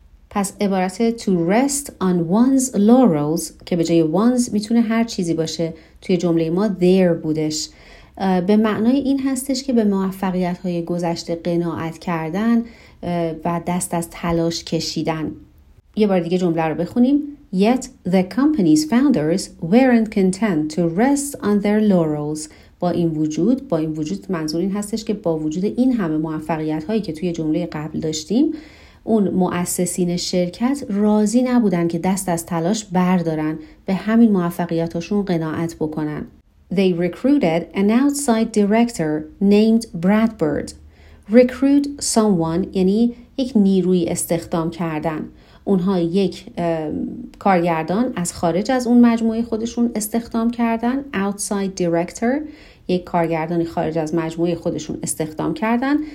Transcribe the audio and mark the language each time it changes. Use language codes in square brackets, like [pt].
[fa] پس عبارت to rest on one's laurels که به جای one's میتونه هر چیزی باشه، توی جمله ما their بودش، به معنای این هستش که به موفقیت‌های گذشته قناعت کردن و دست از تلاش کشیدن. یه بار دیگه جمله رو بخونیم. [en] Yet the company's founders weren't content to rest on their laurels. [fa] با این وجود منظور این هستش که با وجود این همه موفقیت هایی که توی جمله قبل داشتیم، اون مؤسسین شرکت راضی نبودن که دست از تلاش بردارن به همین موفقیتاشون قناعت بکنن. [en] They recruited an outside director named Brad Bird. [fa] Recruit someone یعنی یک نیروی استخدام کردن. اونها یک کارگردان از خارج از اون مجموعه خودشون استخدام کردن. Outside director یک کارگردانی خارج از مجموعه خودشون استخدام کردن.